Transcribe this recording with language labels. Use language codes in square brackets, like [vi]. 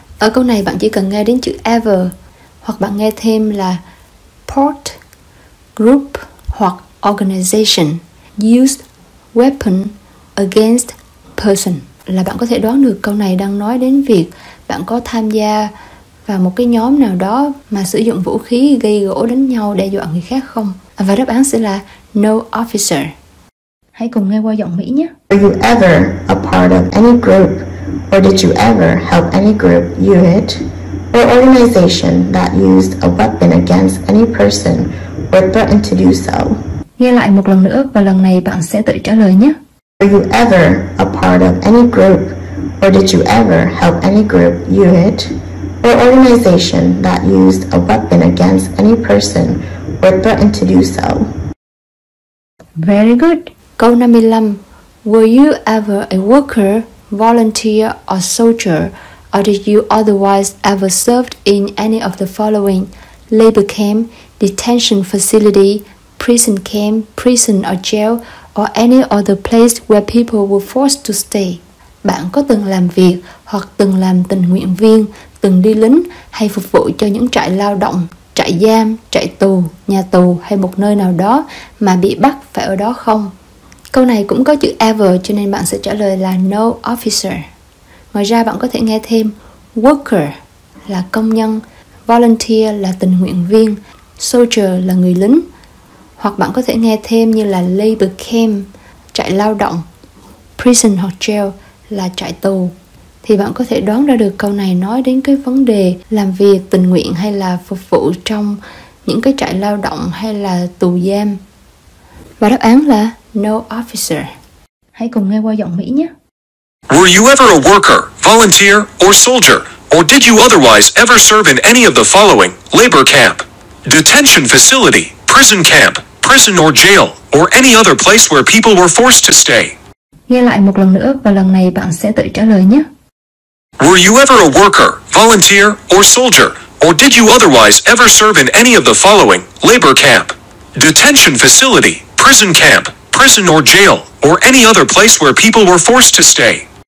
[vi] Ở câu này bạn chỉ cần nghe đến chữ ever, hoặc bạn nghe thêm là part, group hoặc organization, [en] used weapon against person, [vi] là bạn có thể đoán được câu này đang nói đến việc bạn có tham gia vào một cái nhóm nào đó mà sử dụng vũ khí gây gỗ đánh nhau đe dọa người khác không. Và đáp án sẽ là [en] no officer. [vi] Hãy cùng nghe qua giọng Mỹ nhé. [en] Were you ever a part of any group, or did you ever help any group, unit, or organization that used a weapon against any person or threatened to do so? [vi] Nghe lại một lần nữa và lần này bạn sẽ tự trả lời nhé. [en] Were you ever a part of any group, or did you ever help any group, unit, or organization that used a weapon against any person or threatened to do so? Very good. [vi] Câu 55. [en] Were you ever a worker, volunteer, or soldier, or did you otherwise ever served in any of the following? Labor camp, detention facility, prison camp, prison or jail, or any other place where people were forced to stay? [vi] Bạn có từng làm việc, hoặc từng làm tình nguyện viên, từng đi lính, hay phục vụ cho những trại lao động, trại giam, trại tù, nhà tù, hay một nơi nào đó mà bị bắt phải ở đó không? Câu này cũng có chữ ever, cho nên bạn sẽ trả lời là [en] no officer. [vi] Ngoài ra bạn có thể nghe thêm worker là công nhân, volunteer là tình nguyện viên, soldier là người lính. Hoặc bạn có thể nghe thêm như là labor camp, trại lao động, prison hoặc jail là trại tù. Thì bạn có thể đoán ra được câu này nói đến cái vấn đề làm việc tình nguyện hay là phục vụ trong những cái trại lao động hay là tù giam. Và đáp án là [en] no officer. [vi] Hãy cùng nghe qua giọng Mỹ nhé. [en] Were you ever a worker, volunteer, or soldier? Or did you otherwise ever serve in any of the following? Labor camp, detention facility, prison camp, prison or jail, or any other place where people were forced to stay? [vi] Nghe lại một lần nữa và lần này bạn sẽ tự trả lời nhé. [en] Were you ever a worker, volunteer, or soldier? Or did you otherwise ever serve in any of the following? Labor camp, detention facility, prison camp, prison or jail, or any other place where people were forced to stay?